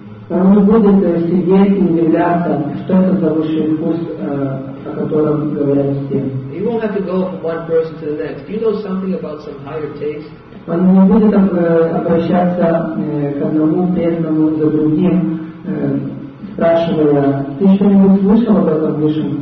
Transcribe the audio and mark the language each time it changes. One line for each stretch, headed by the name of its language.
Russian: Он будет сидеть и удивляться, что это за высший вкус, о котором говорят все.
English: You won't have to go from one person to the next. Do you know something about some higher taste?
Russian: Он не будет обращаться к одному преданному за другим, спрашивая, ты что-нибудь слышал об этом высшем